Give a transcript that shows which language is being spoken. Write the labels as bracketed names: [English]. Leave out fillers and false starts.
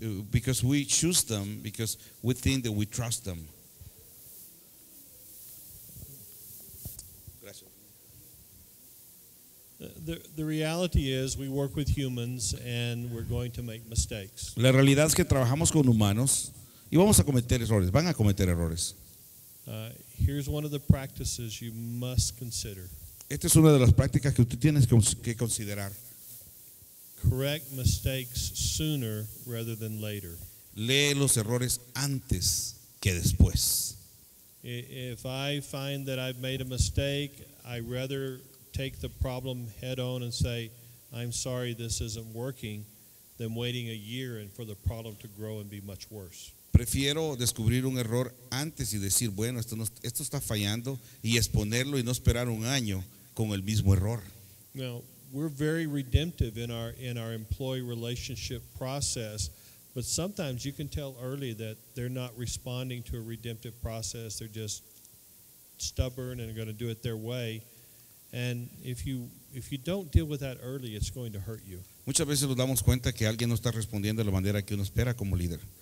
[English] Because we choose them because we think that we trust them. The reality is we work with humans and we're going to make mistakes. [Spanish] La realidad es que trabajamos con humanos y vamos a cometer errores, van a cometer errores. [English] Here's one of the practices you must consider. [Spanish] Esta es una de las prácticas que tú tienes que considerar. [English] Correct mistakes sooner rather than later. [Spanish] Lee los errores antes que después. [English] If I find that I've made a mistake, I rather take the problem head on and say, I'm sorry, this isn't working, than waiting a year and for the problem to grow and be much worse. [Spanish] Prefiero descubrir un error antes y decir, bueno, esto está fallando, y exponerlo y no esperar un año con el mismo error. [English] Now, we're very redemptive in our employee relationship process, but sometimes you can tell early that they're not responding to a redemptive process, they're just stubborn and going to do it their way. And if you don't deal with that early, it's going to hurt you. [Spanish] Muchas veces nos damos cuenta que alguien no está respondiendo de la manera que uno espera como líder.